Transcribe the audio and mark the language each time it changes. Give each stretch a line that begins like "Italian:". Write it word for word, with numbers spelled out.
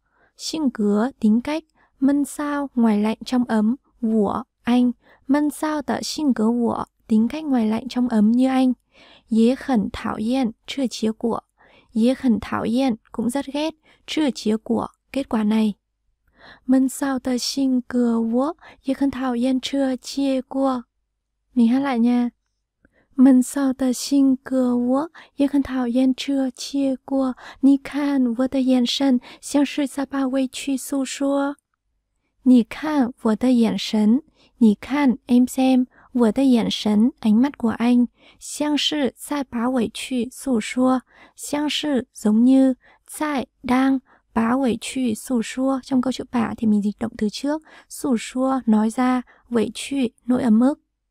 Chinese: 闷骚的性格我，性格
Vietnamese: tính cách,
Chinese: 闷骚
Vietnamese: ngoài lạnh trong ấm, 我 anh, 闷骚的性格我 tính cách ngoài lạnh trong ấm như anh.
Chinese: 也很讨厌 这结果, 也很讨厌
Vietnamese: cũng rất ghét
Chinese: 这结果
Vietnamese: kết quả này.
Chinese: 闷骚的性格我也很讨厌这结果。
Vietnamese: Mình hát lại nha.
Chinese: 闷骚的性格我也很讨厌这结果。你看我的眼神像是在把委屈诉说。你看我的眼神, 你看
Vietnamese: em xem,
Chinese: 我的眼神
Vietnamese: ánh mắt của anh,
Chinese: 像是在把委屈诉说. 像是
Vietnamese: giống như, 在 đang,
Chinese: 把委屈诉说
Vietnamese: trong câu chữ bả thì mình dịch động từ trước,
Chinese: 诉说
Vietnamese: nói ra,
Chinese: 委屈
Vietnamese: nỗi ấm ức.